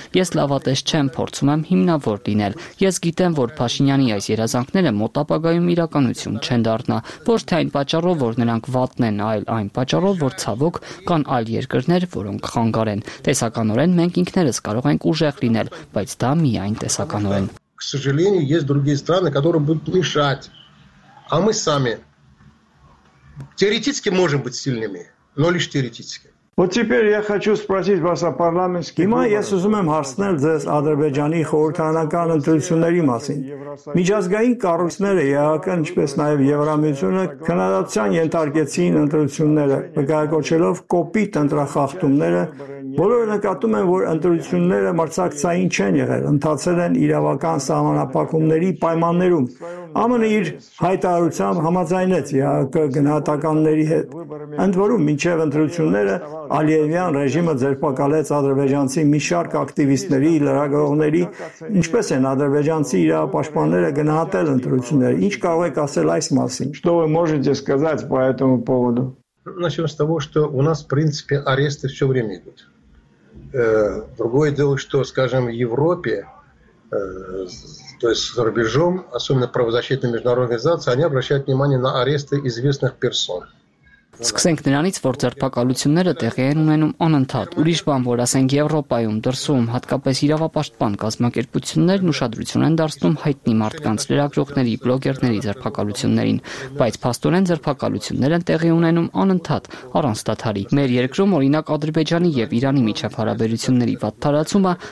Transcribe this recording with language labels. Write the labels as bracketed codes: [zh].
[hy] Ես լավատես չեմ, փորձում եմ հիմնավոր լինել։ Ես գիտեմ, որ Փաշինյանի այս երազանքները մոտ ապագայում իրականություն չեն դառնա, ոչ թե այն պատճառով, որ նրանք վատն են, այլ այն պատճառով, որ ցավոք կան այլ երկրներ, որոնք խանգարեն։ Տեսականորեն մենք ինքներս կարող ենք ուժեղ լինել, բայց դա միայն տեսականորեն։ [ru] К сожалению, есть другие страны, которые будут мешать. А мы сами теоретически можем быть сильными, но лишь теоретически. Вот теперь я хочу спросить вас о парламентских выборах. [hy] Հիմա ես ուզում եմ հարցնել ձեզ Ադրբեջանի խորհրդանական ընտրությունների մասին։ Միջազգային կառույցները, ԵԱԿ, ինչպես նաև Եվրամիությունը, քննադատության ենթարկեցին ընտրությունները, նկարագրելով կոպիտ ընտրախախտումները։ Բոլորը նկատում են, որ ընտրությունները մրցակցային չեն եղել, ընթացել են իրավական սահմանափակումների պայմաններում։ ԱՄՆ-ը իր հայտարարությամբ համաձայնեց ԵԱԿ գնահատականների հետ։ Ընդ որում, մինչև ընտրությունները Ալիևյան ռեժիմը ձերբակալեց ադրբեջանցի մի շարք ակտիվիստների, լրագրողների, ինչպես են ադրբեջանցի իրավապաշտպանները գնահատել ընտրությունները։ Ինչ կարող եք ասել այս մասին? [ru] Что вы можете сказать по этому поводу? Начнем с того, что у нас, в принципе, аресты все время идут. Другое дело, что, скажем, в Европе, то есть за рубежом, особенно правозащитные международные организации, они обращают внимание на аресты известных персон. [hy] Սկսենք նրանից, որ ձերբակալությունները տեղի են ունենում անընդհատ։ Ուրիշ բան, որ ասենք Եվրոպայում, դրսում, հատկապես իրավապաշտպան կազմակերպություններն ուշադրություն են դարձնում հայտնի մարդկանց, լրագրողների, բլոգերների ձերբակալություններին, բայց փաստորեն ձերբակալությունները տեղի ունենում անընդհատ, առանց դադարի։ Մեր երկրում, օրինակ, Ադրբեջանի և Իրանի միջև հարաբերությունների վատթարացումը